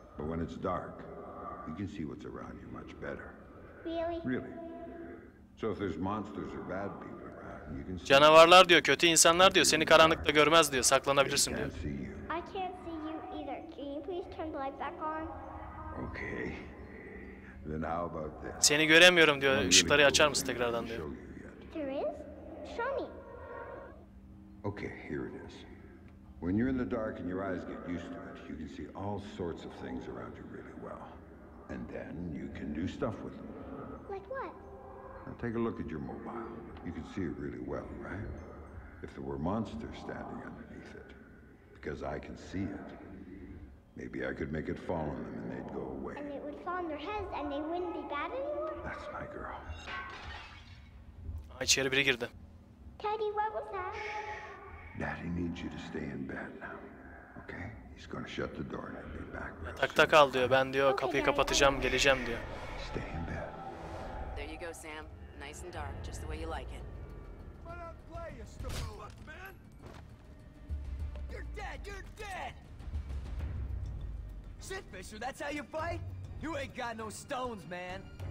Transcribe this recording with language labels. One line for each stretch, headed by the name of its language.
English: But when it's dark, you can see what's around you much better. Really? Really. So if there's monsters or bad people,
Turkish: canavarlar diyor, kötü insanlar diyor, seni karanlıkta görmez diyor, saklanabilirsin diyor.
English: I can't see you either. Can you please turn the light back on? Okay. Then how about this?
Turkish: Seni göremiyorum diyor, ışıkları açar mısın tekrardan diyor.
English: There is? Show me. Okay, here it is. When you're in the dark and your eyes get used to it, you can see all sorts of things around you really well. And then you can do stuff with them. Like what? Now take a look at your mobile. You can see it really well, right? If there were monsters standing underneath it, because I can see it, maybe I could make it fall on them and they'd go away. And it would fall on their heads and they wouldn't be bad anymore? That's my girl.
Turkish: Ay, içeri biri girdi.
English: Teddy, what was that? Daddy needs you to stay in bed now, okay? He's gonna shut the door and I'll be back real soon.
Turkish: Takta kal diyor, ben diyor okay, kapıyı kapatacağım, geleceğim diyor.
English: Stay in bed. There you go, Sam. Nice and dark, just the way you like it. What a play, you stupid luck, man! You're dead, you're dead! Shit, Fisher, that's how you fight? You ain't got no stones, man.